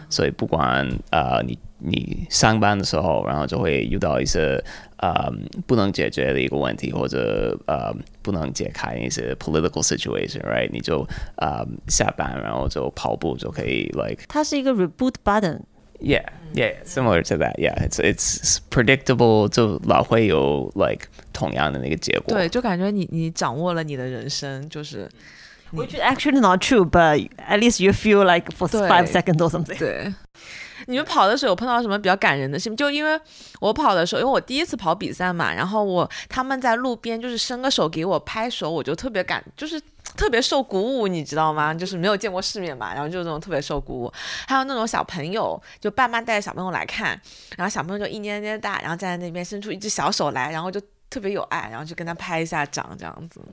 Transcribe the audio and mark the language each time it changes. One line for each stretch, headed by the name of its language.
Chinese: 所以不管你上班的时候，然后就会遇到一些不能解决的一个问题，或者不能解开一些
English: political situation， right？
Chinese: 你就下班然后就跑步就可以 like 它是一个 reboot button。
English: Yeah, yeah, similar to that. Yeah, it's predictable.
Chinese: 就老会有 like 同样的那个结果。对，就感觉你掌握了你的人生，就是
English: which is actually not true, but at least you feel like for 5 seconds or something.
Chinese: 对，你们跑的时候有碰到什么比较感人的事？就因为我跑的时候，因为我第一次跑比赛嘛，然后他们在路边就是伸个手给我拍手，我就特别感，就是特别受鼓舞，你知道吗？就是没有见过世面嘛，然后就那种特别受鼓舞。还有那种小朋友，就爸妈带着小朋友来看，然后小朋友就一捏捏大，然后站在那边伸出一只小手来，然后就特别有爱，然后就跟他拍一下掌这样子。